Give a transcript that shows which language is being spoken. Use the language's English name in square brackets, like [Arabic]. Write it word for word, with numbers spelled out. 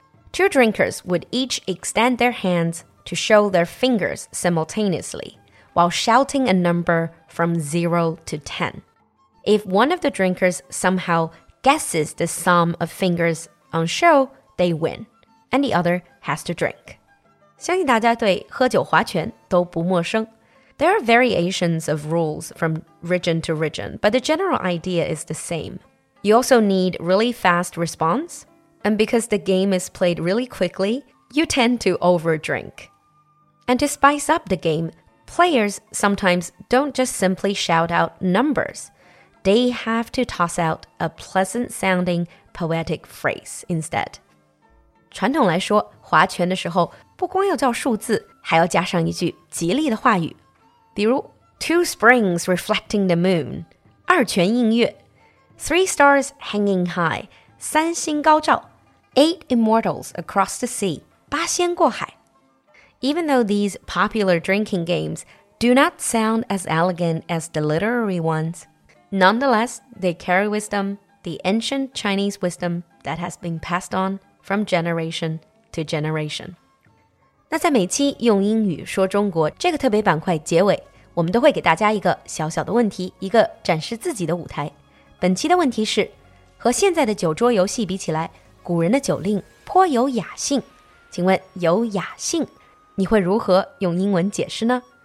[English] Two drinkers would each extend their hands to show their fingers simultaneously, while shouting a number from zero to ten. If one of the drinkers somehow guesses the sum of fingers on show, they win, and the other has to drink. [Chinese] 相信大家对喝酒划拳都不陌生。 [English] There are variations of rules from region to region, but the general idea is the same. You also need really fast response, and because the game is played really quickly, you tend to overdrink. And to spice up the game, players sometimes don't just simply shout out numbers. They have to toss out a pleasant-sounding poetic phrase instead. [Chinese] 传统来说，划拳的时候不光要叫数字，还要加上一句吉利的话语，比如 [English] two springs reflecting the moon, [Chinese] 二泉映月 [English] three stars hanging high, [Chinese] 三星高照 [English] eight immortals across the sea, [Chinese] 八仙过海 [English] Even though these popular drinking games do not sound as elegant as the literary ones,Nonetheless, they carry with them the ancient Chinese wisdom that has been passed on from generation to generation. [Chinese] 那在每期用英语说中国这个特别板块结尾，我们都会给大家一个小小的问题，一个展示自己的舞台。本期的问题是，和现在的酒桌游戏比起来，古人的酒令颇有雅兴。请问有雅兴，你会如何用英文解释呢？